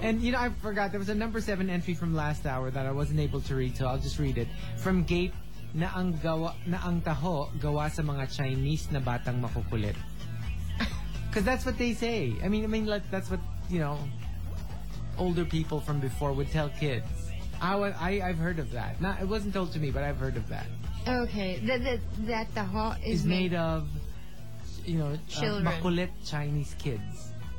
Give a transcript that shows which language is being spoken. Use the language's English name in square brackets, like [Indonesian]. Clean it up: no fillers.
[English] And, you know, I forgot, there was a number 7 entry from last hour that I wasn't able to read, so I'll just read it. From Gabe, [Filipino] na ang taho gawa sa mga Chinese na batang makukulit. [English] Because that's what they say. I mean, like, that's what, you know... Older people from before would tell kids. I've heard of that. Not, it wasn't told to me, but I've heard of that. Okay. That the hall is made of, you know, makulit Chinese kids.